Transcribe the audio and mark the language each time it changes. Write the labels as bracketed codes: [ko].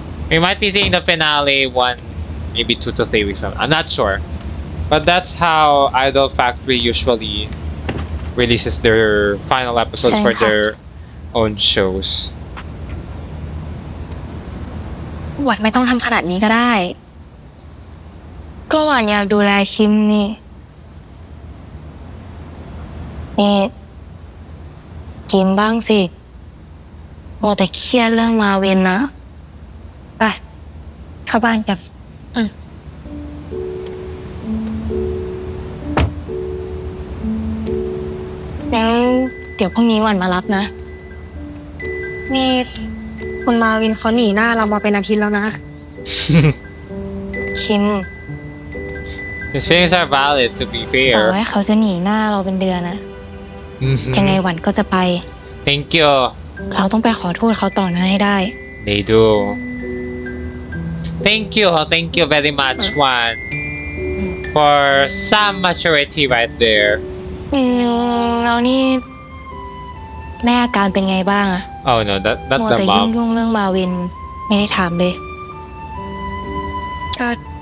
[en] We might be seeing the finale one, maybe 2 to 3 weeks from now. I'm not sure. But that's how Idol Factory usually releases their final episodes for their own shows. [th] วันไม่ต้องทำขนาดนี้ก็ได้ก็วันอยากดูแลคิมนี่นี่คิมบ้างสิว่าแต่เครียดเรื่องมาเวนนะไปเข้าบ้านกัน งั้นเดี๋ยวพรุ่งนี้วันมารับนะนี่คุณมาวินเขาหนีหน้าเรามาเป็นอาทิตย์แล้วนะคิม [en] His feelings are valid to be fair [th] ต่อให้เขาจะหนีหน้าเราเป็นเดือนนะยังไงวันก็จะไป [en] Thank you [th] เราต้องไปขอโทษเขาต่อหน้าให้ได้ [en] They doThank you very much, Juan, for some maturity right there. Now, this, my condition, how is it? Oh no, that's the mom. More than worrying about Marvin, I didn't ask.